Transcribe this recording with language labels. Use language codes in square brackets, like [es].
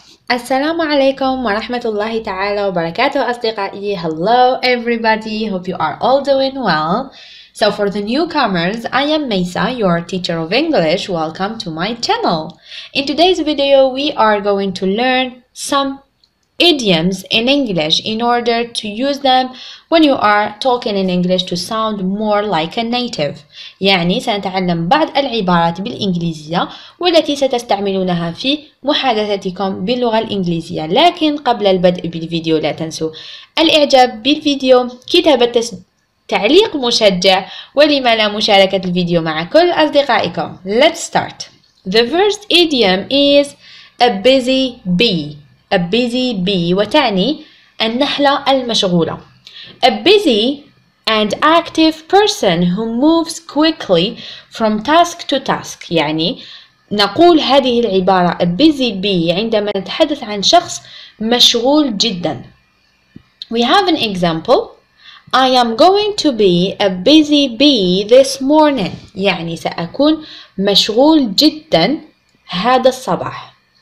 [ar] السلام عليكم ورحمة الله تعالى وبركاته أصدقائي. [en] Hello everybody, hope you are all doing well. So for the newcomers, I am Mesa, your teacher of English. Welcome to my channel. In today's video, we are going to learn some idioms in English in order to use them when you are talking in English to sound more like a native. [ar] يعني سنتعلم بعض العبارات بالإنجليزية والتي ستستعملونها في محادثتكم باللغة الإنجليزية. لكن قبل البدء بالفيديو لا تنسوا الإعجاب بالفيديو, كتابة تعليق مشجع, ولما لا مشاركة الفيديو مع كل أصدقائكم. [en] Let's start. The first idiom is a busy bee. A busy bee, [ar] وتعني النحلة المشغولة. [en] A busy and active person who moves quickly from task to task. [ar] يعني نقول هذه العبارة [en] a busy bee [ar] عندما نتحدث عن شخص مشغول جدا. [en] We have an example. I am going to be a busy bee this morning. [ar] يعني سأكون مشغول جدا هذا الصباح.